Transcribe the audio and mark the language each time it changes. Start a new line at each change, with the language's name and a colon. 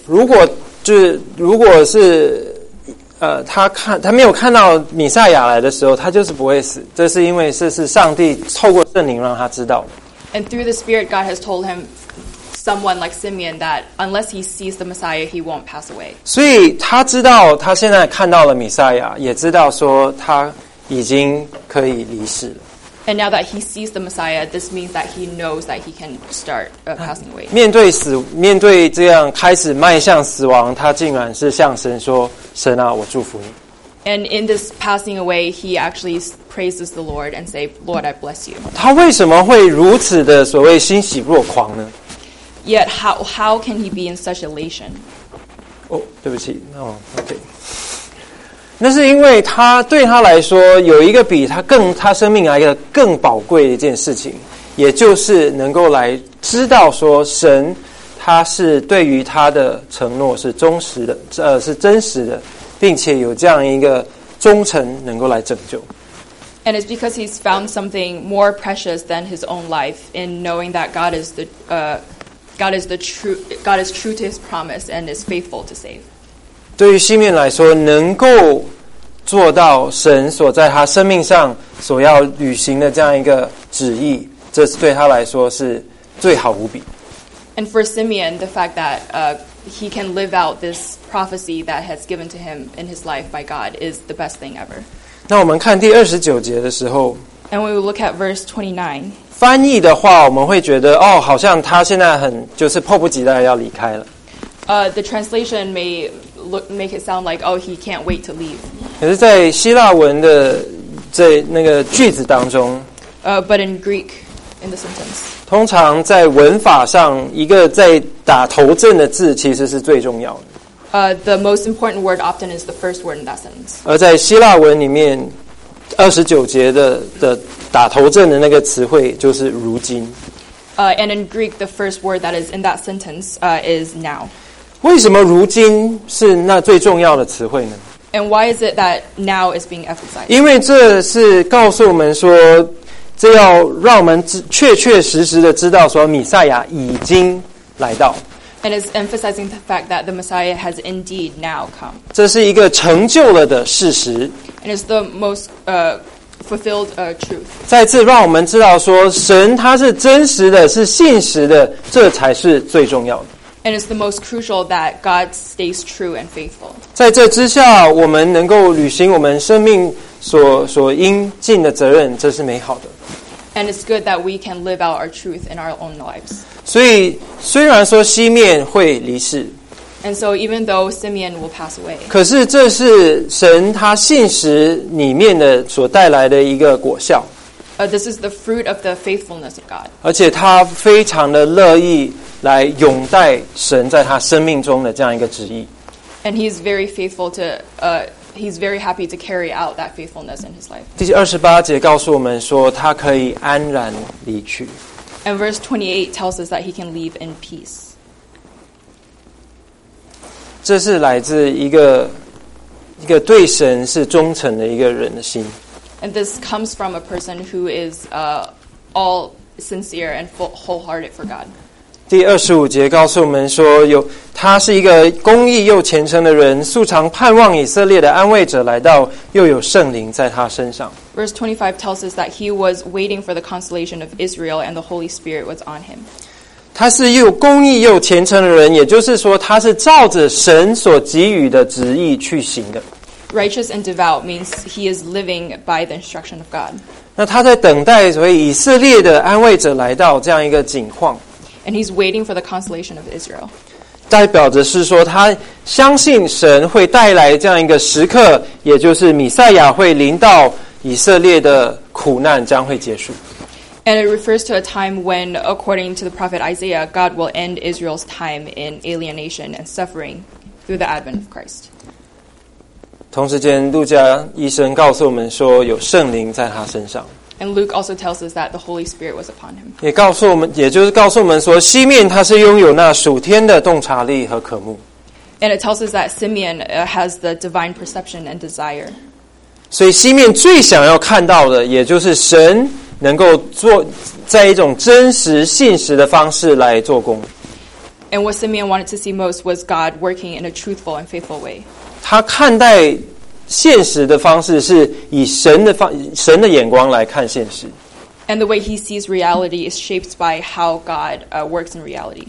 Chinese: 如果是他没有看到弥赛亚来的时候，他就是不会死。这是因为是上帝透过圣灵让他知道。
English: And through the Spirit, God has told him. Someone like Simeon, that unless he sees the Messiah, he won't pass away.
Chinese: 所以他知道他现在看到了弥赛亚，也知道说他已经可以离世了。
English: And now that he sees the Messiah, this means that he knows that he can start passing away.
Chinese: 面对这样开始迈向死亡，他竟然是向神说：“神啊，我祝福你。”
English: And in this passing away, he actually praises the Lord and say, "Lord, I bless you."
Chinese: 他为什么会如此的所谓欣喜若狂呢？
English: Yet how can he be in such elation? Oh,
Chinese: 对不起
English: no, okay.
Chinese: 那是因为他对他来说有一个比他更他生命来的更宝贵的一件事情，也就是能够来知道说神他是对于他的承诺是忠实的，是真实的，并且有这样一个忠诚能够来拯救。
English: And it's because he's found something more precious than his own life in knowing that God is the God is true to his promise and is faithful to save.
Chinese: 对于西面来说，能够做到神所在他生命上所要履行的这样一个旨意，这对他来说是最好无比。
English: And for Simeon, the fact that he can live out this prophecy that has given to him in his life by God is the best thing ever.
Chinese: 那我们看第二十九节的时候
English: ，And we will look at verse 29.
Chinese: 翻译的话，我们会觉得哦，好像他现在很就是迫不及待要离开了。
English: The translation may make it sound like, oh, he can't wait to leave.
Chinese: 可是，在希腊文的这那个句子当中
English: but in Greek, in the sentence,
Chinese: 通常在文法上，一个在打头阵的字其实是最重要的。
English: The most important word often is the first word in that sentence.
Chinese: 而在希腊文里面。二十九节 的打头阵的那个词汇就是如今。
English: And in Greek, the first word that is in that sentence is now.
Chinese: 为什么如今是那最重要的词汇呢？
English: And why is it that now is being emphasized?
Chinese: 因为这是告诉我们说，这要让我们确确实实的知道说弥赛亚已经来到。
English: And it's emphasizing the fact that the Messiah has indeed now come.
Chinese: 这是一个成就了的事实。
English: And it's the most fulfilled truth.
Chinese: 再次让我们知道说，神他是真实的，是信实的，这才是最重要的。
English: And it's the most crucial that God stays true and faithful.
Chinese: 在这之下，我们能够履行我们生命所应尽的责任，这是美好的。
English: And it's good that we can live out our truth in our own lives.
Chinese: 所以虽然说西面会离世，
English: And so even though Simeon will pass away,
Chinese: 可是这是神他信实里面的所带来的一个果效。
English: This is the fruit of the faithfulness of God.
Chinese: 而且他非常的乐意来拥戴神在他生命中的这样一个旨意。
English: And he's very faithful to, he's very happy to carry out that faithfulness in his life.
Chinese: 第二十八节告诉我们说他可以安然离去。
English: And verse 28 tells us that he can leave in peace.
Chinese: 这是来自一个对神是忠诚的一个人的心。
English: And this comes from a person who is all sincere and wholehearted for God.
Chinese: 第二十五节告诉我们说，有他是一个公义又虔诚的人，素常盼望以色列的安慰者来到，又有圣灵在他身上。
English: Verse 25 tells us that he was waiting for the consolation of Israel, and the Holy Spirit was on him.
Chinese: 他是又公义又虔诚的人，也就是说，他是照着神所给予的旨意去行的。
English: Righteous and devout means he is living by the instruction of God.
Chinese: 那他在等待所谓以色列的安慰者来到这样一个景况。
English: And he's waiting for the consolation of Israel.
Chinese: 代表着是说他相信神会带来这样一个时刻，也就是弥赛亚会临到，以色列的苦难将会结束。
English: And it refers to a time when, according to the prophet Isaiah, God will end Israel's time in alienation and suffering through the advent of Christ.
Chinese: 同时间，路加医生告诉我们说，有圣灵在他身上。
English: And Luke also tells us that the Holy Spirit was upon him.
Chinese: 也告诉我们，也就是告诉我们说，西面他是拥有那属天的洞察力和渴慕。
English: And it tells us that Simeon has the divine perception and desire.
Chinese: 所以西面最想要看到的，也就是神能够做在一种真实信实的方式来做工。
English: And what Simeon wanted to see most was God working in a truthful and faithful way.
Chinese: 他看待现实的方式是以神的眼光来看现实。
English: And the way he sees reality is shaped by how God works in reality.